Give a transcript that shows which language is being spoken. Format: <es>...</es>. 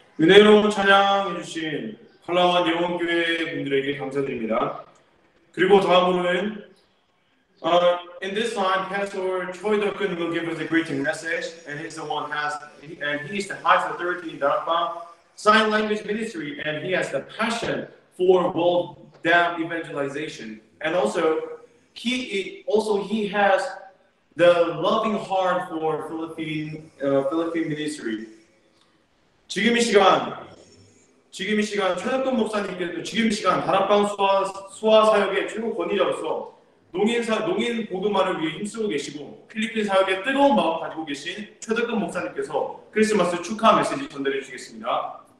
<ko>은혜로 찬양해주신 팔라완 예원교회 분들에게 감사드립니다. 그리고 다음으로는</ko> <en>in this time, Pastor Choi Dokun will give us a greeting message, and he's the one has, and he is the high authority in Dharma Sign Language Ministry, and he has the passion for world deaf evangelization, and also he has the loving heart for Philippine ministry.</en> <ko>지금 이 시간. 지금 이 시간 최덕근 목사님께서 지금 이 시간 다락방 수화 사역의 최고 권위자로서 농인 복음화를 위해 힘쓰고 계시고 필리핀 사역에 뜨거운 마음 가지고 계신 최덕근 목사님께서 크리스마스 축하 메시지 전달해 주시겠습니다.</ko>